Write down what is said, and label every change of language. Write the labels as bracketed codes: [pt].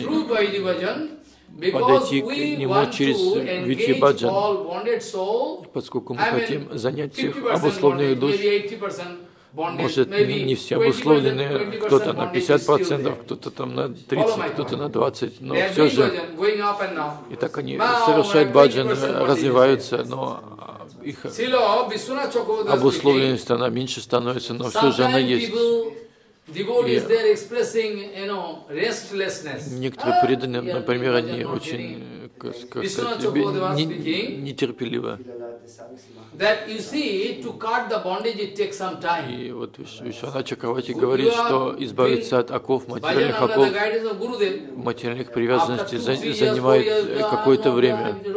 [en] through Vaidhi bhajan, because we want to engage bhajan. All bonded soul. [ru] Поскольку мы хотим занять всех обусловленных душ. Может, не все обусловленные, кто-то на 50%, кто-то там на 30%, кто-то на 20%, но все же, и так они совершают баджан, развиваются, но их обусловленность, она меньше становится, но все же она есть. И некоторые преданные, например, они очень, как сказать, нетерпеливы. [en] That you see, to cut the bondage, it takes some time. [ru] И вот Вишванатха Чакравати говорит, что избавиться от оков, материальных оков, материальных привязанностей занимает какое-то время.